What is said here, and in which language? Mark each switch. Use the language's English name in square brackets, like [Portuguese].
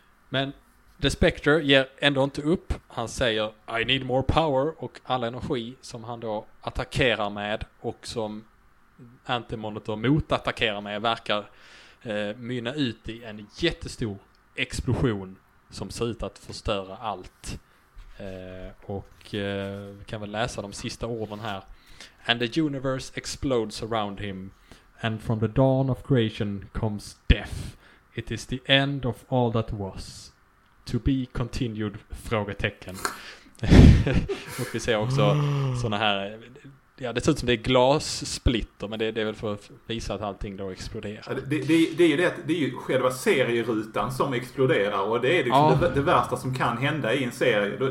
[Swedish] Men The Spectre ger ändå inte upp. Han säger [English] I need more power, [Swedish] och all energi som han då attackerar med och som Antimonitor motattackerar med verkar mynna ut i en jättestor explosion som ser ut att förstöra allt. Och vi kan väl läsa de sista orden här. [English] And the universe explodes around him. And from the dawn of creation comes death. It is the end of all that was. To be continued, [Swedish] frågetecken. Och vi ser också såna här, ja, det ser ut som det är glassplitter, men det är väl för att visa att allting då exploderar. Det är ju själva serierutan som exploderar, och det är liksom det värsta som kan hända i en serie.